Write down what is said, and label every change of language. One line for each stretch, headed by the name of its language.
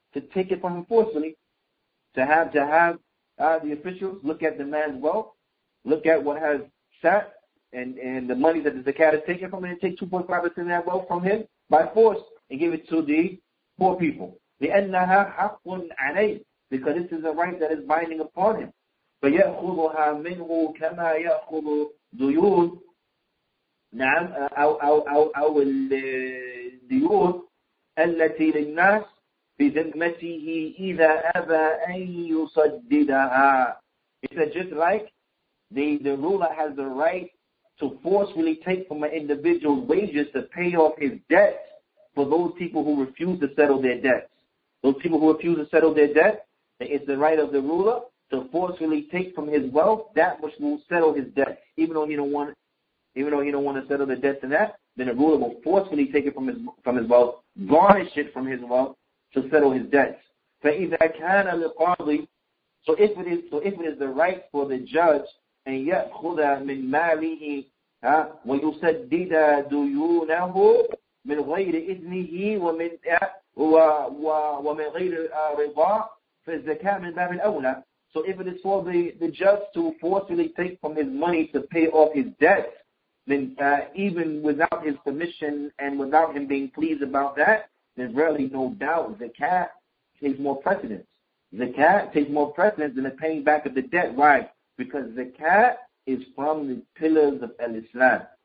English: To take it from him forcefully. To have the officials look at the man's wealth, look at what has sat, and the money that the zakat is taken from him, and take 2.5% of that wealth from him by force and give it to the poor people.
Arabic: لِأَنَّهَا حَقٌ عَلَيْهِ,
English: because this is a right that is binding upon him.
Arabic: فَيَأْخُذُهَا مِنْهُ كَمَا يَأْخُذُ دُيُون. نعم, أو الديون التي للناس في ذمته إذا أبى أن يصددها.
English: It's just like the ruler has the right to forcefully take from an individual's wages to pay off his debts for those people who refuse to settle their debts. It's the right of the ruler to forcefully take from his wealth that which will settle his debt. Even though he don't want to settle the debt to that, then the ruler will forcefully take it from his wealth, garnish it from his wealth, to settle his debts.
Arabic: فَإِذَا كَانَ لِقَاضِي,
English: so if it is the right for the judge,
Arabic: أَنْ يَأْخُذَ مِنْ مَالِهِ وَيُسَدِّدَ دُيُونَهُ مِنْ غَيْرِ إِذْنِهِ وَمِنْ غَيْرِ رِضَى فَالزَّكَاةُ مِنْ بَابِ الْأَوْلَى.
English: So if it is for the judge to forcefully take from his money to pay off his debts, then even without his permission and without him being pleased about that, there's really no doubt zakat takes more precedence. Zakat takes more precedence than the paying back of the debt. Why? Because zakat is from the pillars of al-Islam.